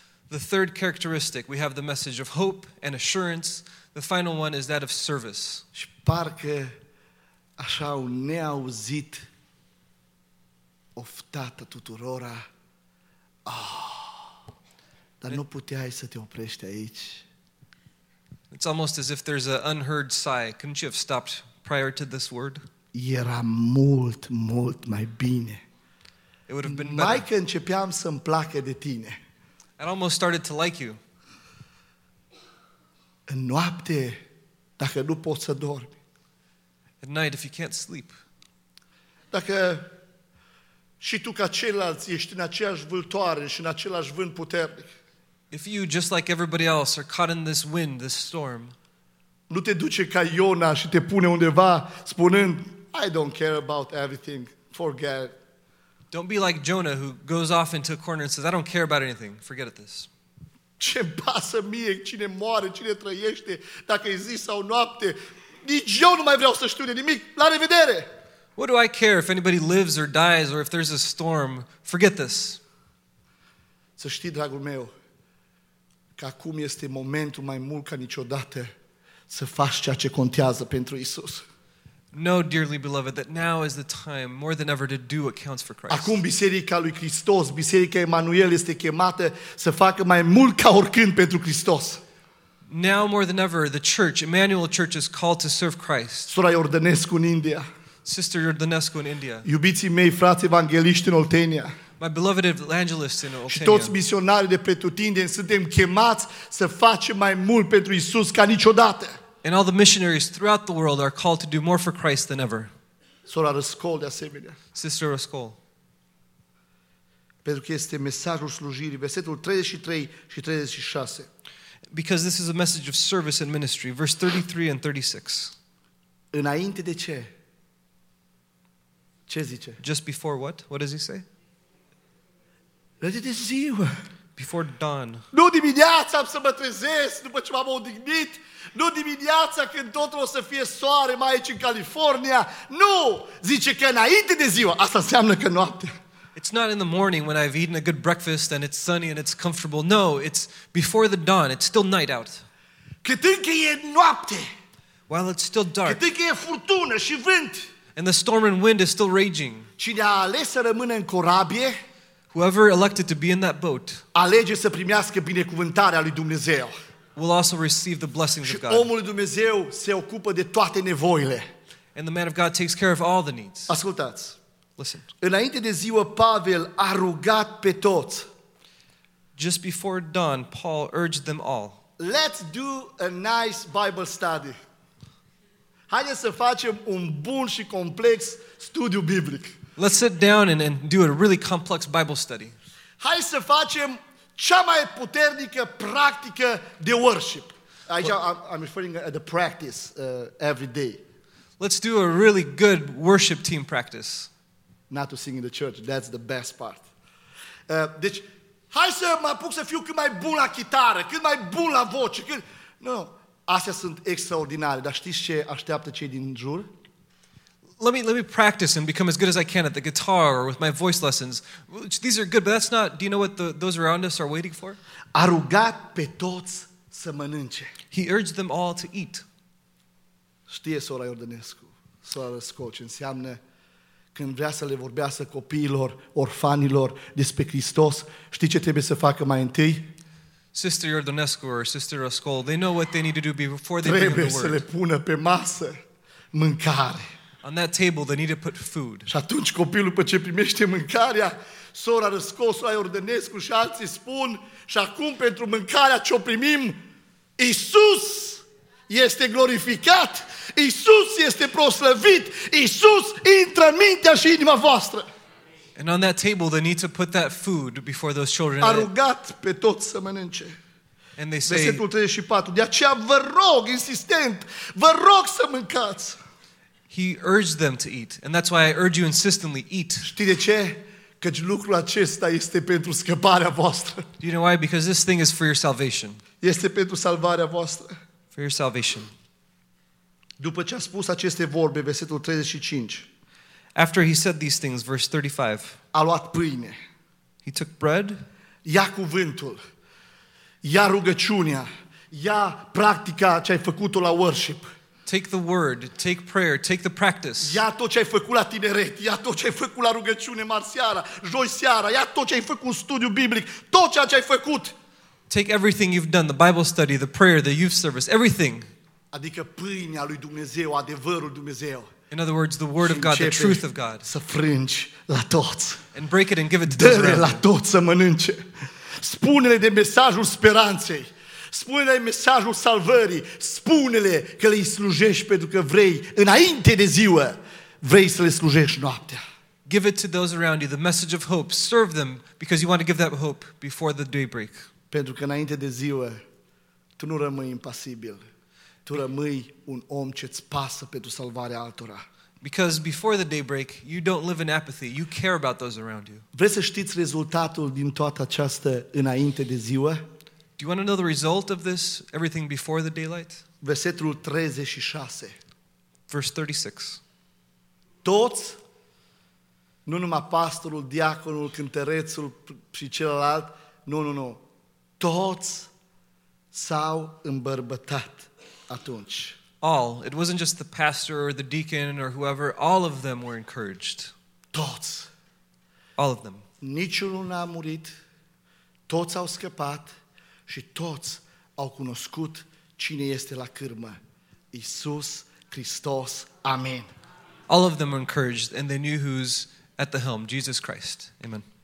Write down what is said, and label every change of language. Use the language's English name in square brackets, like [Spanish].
[English] The third characteristic, we have the message of hope and assurance. The final one is that of service. [Romanian] Și parcă așa un neauzit oftată tuturora, dar nu puteai să te oprești aici. [English] It's almost as if there's an unheard sigh. Couldn't you have stopped prior to this word? [Romanian] Era mult, mult mai bine. [English] It would have been better. [Romanian] Mai că începeam să-mi placă de tine. [English] I almost started to like you. [Romanian] În noapte, dacă nu poți să dormi. [English] At night, if you can't sleep. [Romanian] Dacă și tu ca ceilalți ești în aceeași vâltoare și în același vânt puternic. [English] If you, just like everybody else, are caught in this wind, this storm, [Romanian] nu te duce ca Iona și te pune undeva spunând, [English] I don't care about everything, forget it. Don't be like Jonah who goes off into a corner and says, I don't care about anything, forget it this. [Romanian] Ce-mi pasă mie cine moare, cine trăiește, dacă e zi sau noapte, nici eu nu mai vreau să știu de nimic, la revedere! [English] What do I care if anybody lives or dies or if there's a storm, forget this. [Romanian] Să știi, dragul meu, că acum este momentul mai mult ca niciodată să faci ceea ce contează pentru Isus. [English] No, dearly beloved, that now is the time more than ever to do what counts for Christ. [Romanian] Acum biserica lui Hristos, biserica Emanuel este chemată să facă mai mult ca oricând pentru Hristos. [English] Now more than ever, the church, Emmanuel Church, is called to serve Christ. [Romanian] Sora Iordănescu în India. [English] Sister Iordănescu in India. [Romanian] Iubiții mei, frați evangeliști în Oltenia. [English] My beloved evangelist in Oltenia. [Romanian] Și toți misionarii de pretutindeni suntem chemați să facem mai mult pentru Isus ca niciodată. [English] And all the missionaries throughout the world are called to do more for Christ than ever. [Romanian] Sora Răscol, de asemenea. [English] Sister Răscol. [Romanian] Pentru că este mesajul slujirii, versetul 33 și 36. [English] Because this is a message of service and ministry, verse 33 and 36. [Romanian] Înainte de ce? Ce zice? [English] Just before what? What does he say? [Romanian] Înainte de ziua. [English] Before dawn. [Romanian] Nu dimineața am să mă trezesc după ce m-am odihnit. Nu dimineața când totul o să fie soare mai aici în California. Nu! Zice că înainte de ziua. Asta înseamnă că noapte. [English] It's not in the morning when I've eaten a good breakfast and it's sunny and it's comfortable. No, it's before the dawn. It's still night out. [Romanian] Cât încă e noapte. [English] while it's still dark, [Romanian] câte că e furtună și vânt, [English] and the storm and wind is still raging, [Romanian] cine a ales să rămână în corabie, [English] whoever elected to be in that boat, [Romanian] alege să primească binecuvântarea lui Dumnezeu, [English] will also receive the blessings [Romanian] și [English] of God. [Romanian] Omul lui Dumnezeu se ocupă de toate nevoile. [English] And the man of God takes care of all the needs. [Romanian] Ascultați. [English] Listen. [Romanian] Înainte de ziua, Pavel a rugat pe toți. [English] Just before dawn, Paul urged them all. Let's do a nice Bible study. [Romanian] Haideți să facem un bun și complex studiu biblic. [English] Let's sit down and do a really complex Bible study. [Romanian] Hai să facem cea mai puternică practică de worship. Aici, [English] I'm referring to the practice every day. Let's do a really good worship team practice. Not to sing in the church, that's the best part. [Romanian] Deci, hai să mă apuc să fiu cât mai bun la chitară, cât mai bun la voce. Cât... No, astea sunt extraordinare, dar știți ce așteaptă cei din jur? [English] Let me practice and become as good as I can at the guitar or with my voice lessons. These are good, but that's not, do you know what those around us are waiting for? [Romanian] A rugat pe toți să mănânce. [English] He urged them all to eat. [Romanian] Știe sora Iordănescu, sora Răscoe, ce înseamnă când vrea să le vorbească copiilor, orfanilor, despre Hristos, știi ce trebuie să facă mai întâi? [English] Sister Iordănescu or Sister Răscoe, they know what they need to do before they [Romanian] trebuie [English] bring the word. [Romanian] Trebuie să le pună pe masă mâncare. [English] On that table, they need to put food. [Romanian] Și atunci copilul, după ce primește mâncarea, sora Răscoe, sora Iordănescu și alții spun, și acum pentru mâncarea ce o primim, Iisus! Este glorificat, Iisus este proslăvit, Iisus intră în mintea și inima voastră. [English] And on that table they need to put that food before those children. [Romanian] A rugat pe toți să mănânce. [English] And they say, [Romanian] versetul 34, de aceea vă rog, insistent, vă rog să mâncați. [English] He urged them to eat, and that's why I urge you insistently, eat. [Romanian] Știi de ce? Căci lucrul acesta este pentru scăparea voastră. [English] Do you know why? Because this thing is for your salvation. [Romanian] Este pentru salvarea voastră. [English] For your salvation. [Romanian] După ce a spus aceste vorbe, versetul 35. [English] After he said these things, verse 35. [Romanian] A luat pâine. [English] He took bread. [Romanian] Ia cuvântul. Ia rugăciunea. Ia practica ce ai făcut-o la worship. [English] Take the word, take prayer, take the practice. [Romanian] Ia tot ce ai făcut la tineret, ia tot ce ai făcut la rugăciune marțiara, joi seara, ia tot ce ai făcut în studiu biblic, tot ceea ce ai făcut. [English] Take everything you've done, the Bible study, the prayer, the youth service, everything. [Romanian] Adică pâinea lui Dumnezeu, adevărul Dumnezeu. [English] In other words, the word of God, the truth of God. [Romanian] Să frângi la toți. [English] And break it and give it to those around. [Romanian] La toți să mănânce. Spune-le de mesajul speranței. Spune-le mesajul salvării. Spune-le că le slujești pentru că vrei, înainte de ziua, vrei să le slujești noaptea. [English] Give it to those around you, the message of hope. Serve them because you want to give that hope before the daybreak. [Romanian] Pentru că înainte de ziua, tu nu rămâi impasibil. Tu rămâi un om ce-ți pasă pentru salvarea altora. [English] Because before the daybreak, you don't live in apathy. You care about those around you. [Romanian] Vreți să știți rezultatul din toată această înainte de ziua? [English] Do you want to know the result of this, everything before the daylight? [Romanian] Versetul 36. [English] Verse 36. [Romanian] Toți, nu numai pastorul, diaconul, cântărețul și celălalt, nu. Toți s-au îmbărbătat atunci. [English] All. It wasn't just the pastor or the deacon or whoever. All of them were encouraged. [Romanian] Toți. [English] All of them. [Romanian] Niciunul n-a murit. Toți au scăpat și toți au cunoscut cine este la cârmă. Iisus Hristos. Amen. [English] All of them were encouraged and they knew who's at the helm. Jesus Christ. Amen.